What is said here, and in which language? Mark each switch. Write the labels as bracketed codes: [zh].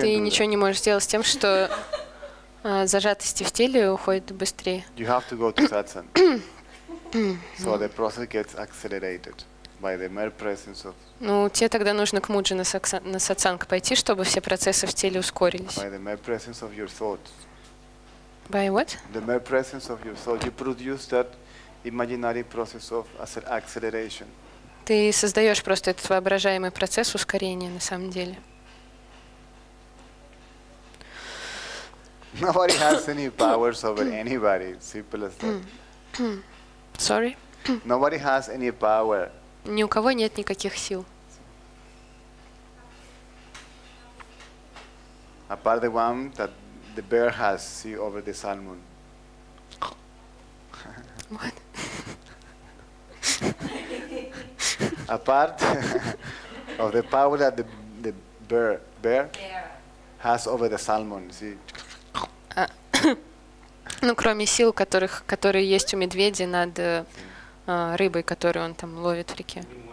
[ru] Ты ничего не можешь сделать с тем, что зажатости в теле уходят быстрее. [en] You have to go to satsang. So the process gets accelerated by the mere presence of. [ru] Ну, тебе тогда нужно к Муджи на сатсанг пойти, чтобы все процессы в теле ускорились. [en] By the mere presence of your thoughts. By what? The mere presence of your thoughts. You produce that. Imaginary process of acceleration. [ru] Ты создаешь просто этот воображаемый процесс ускорения на самом деле. [en] Nobody has any powers over anybody. Simple as that. Sorry. Nobody has any power. [ru] Ни у кого нет никаких сил. [en] Apart the one that the bear has see over the salmon. What? Apart of the power that the bear has over the salmon, see. [ru] Ну кроме сил, которые есть у медведя над рыбой, которую он там ловит в реке.